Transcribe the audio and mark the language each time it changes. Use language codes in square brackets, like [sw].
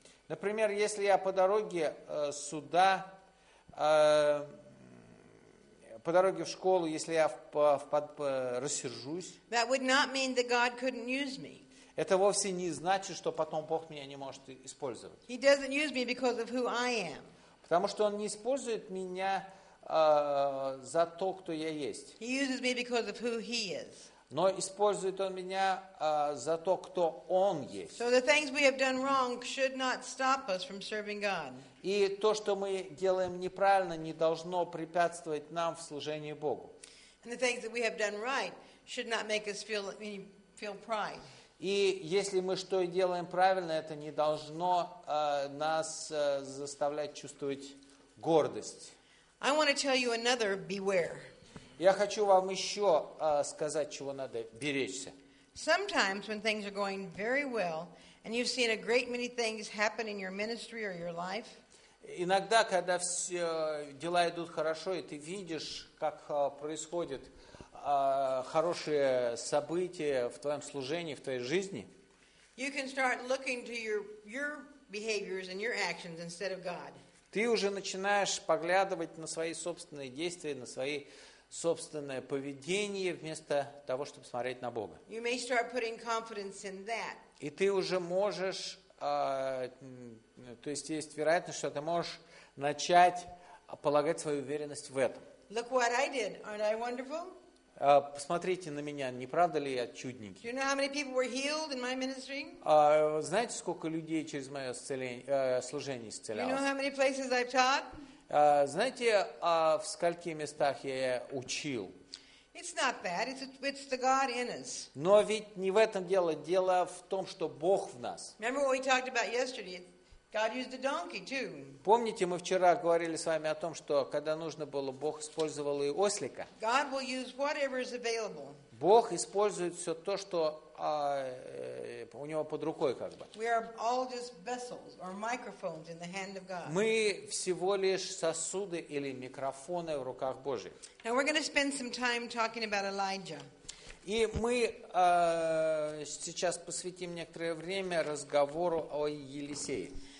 [ru] Например, если я по дороге сюда, по дороге в школу, если я рассержусь, [en] that would not mean that God couldn't use me. [ru] Это вовсе не значит, что потом Бог меня не может использовать. [en] He doesn't use me because of who I am. [ru] Потому что Он не использует меня за то, кто я есть. [en] He uses me because of who He is. [ru] Но использует Он меня за то, кто Он есть. [en] So the things we have done wrong should not stop us from serving God. [ru] И то, что мы делаем неправильно, не должно препятствовать нам в служении Богу. [en] And the things that we have done right should not make us feel pride. [ru] И если мы что и делаем правильно, это не должно нас заставлять чувствовать гордость. [en] I want to tell you another beware. [ru] Я хочу вам еще сказать, чего надо беречься. [en] Sometimes when things are going very well And you've seen a great many things happen in your ministry or your life. [ru] Иногда, когда все дела идут хорошо, и ты видишь, как происходят хорошие события в твоем служении, в твоей жизни, [en] you can start looking to your behaviors and your actions instead of God. [ru] Ты уже начинаешь поглядывать на свои собственные действия, на свои собственное поведение вместо того, чтобы смотреть на Бога. [en] You may start putting confidence in that. [ru] И ты уже можешь, то есть есть вероятность, что ты можешь начать полагать свою уверенность в этом. [en] Look what I did. Aren't I wonderful? [ru] Посмотрите на меня, не правда ли я чудненький? [en] You know how many people were healed in my ministry? [ru] Знаете, сколько людей через мое служение исцелялось? [en] You know how many places I've taught? [ru] Знаете, в скольких местах я учил? [en] It's not that. It's the God in us. [ru] Но ведь не в этом дело. Дело в том, что Бог в нас. [en] Remember what we talked about yesterday? God used a donkey too. [ru] Помните, мы вчера говорили с вами о том, что когда нужно было, Бог использовал и ослика. [en] God will use whatever is available. [ru] Бог использует все то, что у него под рукой, как бы. [en] We are all just vessels or microphones in the hand of God. [ru] Мы всего лишь сосуды или микрофоны в руках Божьих. [en] Now we're going to spend some time talking about Elijah. [ru] И мы сейчас посвятим некоторое время разговору о Елисее.